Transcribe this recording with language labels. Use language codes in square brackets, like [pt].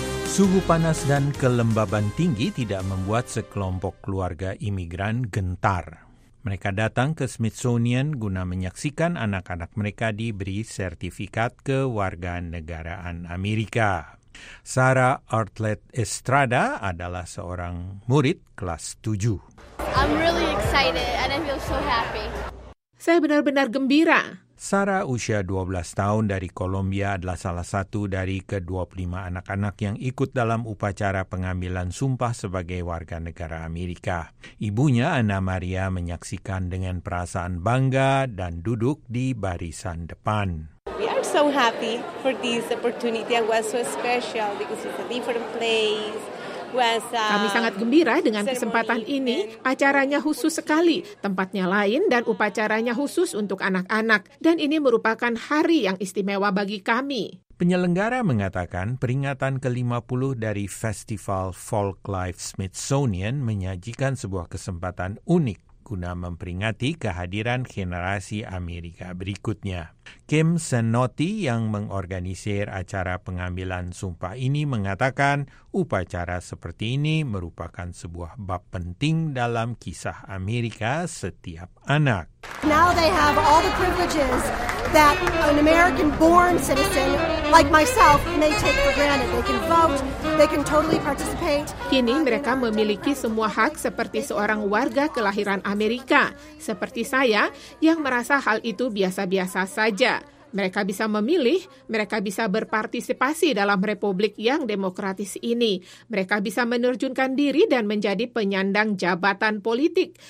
[id] Suhu panas dan kelembaban tinggi tidak membuat sekelompok keluarga imigran gentar. Mereka datang ke Smithsonian guna menyaksikan anak-anak mereka diberi sertifikat kewarganegaraan Amerika. Sarah Artlet Estrada adalah seorang murid kelas 7. [en] I'm really excited and I feel so happy. [id] Saya benar-benar gembira. Sarah, usia 12 tahun dari Kolombia, adalah salah satu dari ke-25 anak-anak yang ikut dalam upacara pengambilan sumpah sebagai warga negara Amerika. Ibunya, Ana Maria, menyaksikan dengan perasaan bangga dan duduk di barisan depan. [en] We are so happy for this opportunity. It was so special because it's a different place. [id] Kami sangat gembira dengan kesempatan ini. Acaranya khusus sekali, tempatnya lain dan upacaranya khusus untuk anak-anak. Dan ini merupakan hari yang istimewa bagi kami. Penyelenggara mengatakan peringatan ke-50 dari Festival Folklife Smithsonian menyajikan sebuah kesempatan unik guna memperingati kehadiran generasi Amerika berikutnya. Kim Senotti yang mengorganisir acara pengambilan sumpah ini mengatakan upacara seperti ini merupakan sebuah bab penting dalam kisah Amerika setiap anak. [en] Now they have all the privileges that an American-born citizen, like myself, may take for granted. They can vote, they can totally participate. [id] Kini mereka memiliki semua hak seperti seorang warga kelahiran Amerika, seperti saya, yang merasa hal itu biasa-biasa saja. Mereka bisa memilih, mereka bisa berpartisipasi dalam republik yang demokratis ini. Mereka bisa menerjunkan diri dan menjadi penyandang jabatan politik.